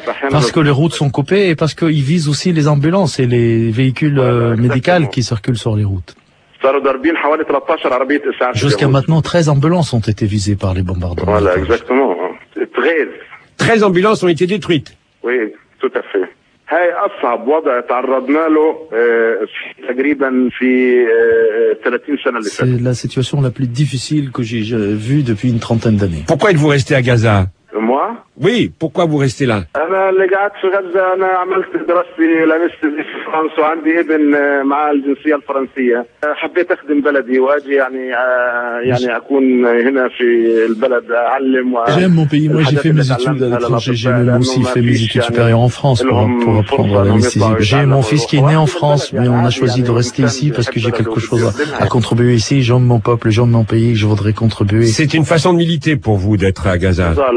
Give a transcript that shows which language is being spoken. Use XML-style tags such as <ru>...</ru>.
<fr>Parce que les routes sont coupées et parce qu'ils visent aussi les ambulances et les véhicules médicaux qui circulent sur les routes. Jusqu'à maintenant, 13 ambulances ont été visées par les bombardements. Voilà, exactement. 13. 13 ambulances ont été détruites. Oui, tout à fait.</fr> <ar>هاي أصعب وضع تعرضنا له تقريبا في 30 سنة اللي فاتت.</ar> <fr>C'est la situation la plus difficile que j'ai vue depuis une trentaine d'années. Pourquoi êtes-vous resté à Gaza? Moi? Oui, pourquoi vous restez là?</fr> <ar>أنا اللي قعدت في غزة أنا عملت دراستي لمستي في فرنسا وعندي ابن مع الجنسية الفرنسية. حبيت أخدم بلدي وأجي يعني أكون هنا في البلد أعلم و</ar> <fr>J'aime mon pays, moi j'ai fait mes études à l'étranger, j'ai même aussi fait mes études supérieures en France pour apprendre la nécessité. J'ai mon fils qui est né en France, mais on a choisi de rester ici parce que j'ai quelque chose à contribuer ici. J'aime mon peuple, j'aime mon pays, je voudrais contribuer. C'est une façon de militer pour vous d'être à Gaza.</fr>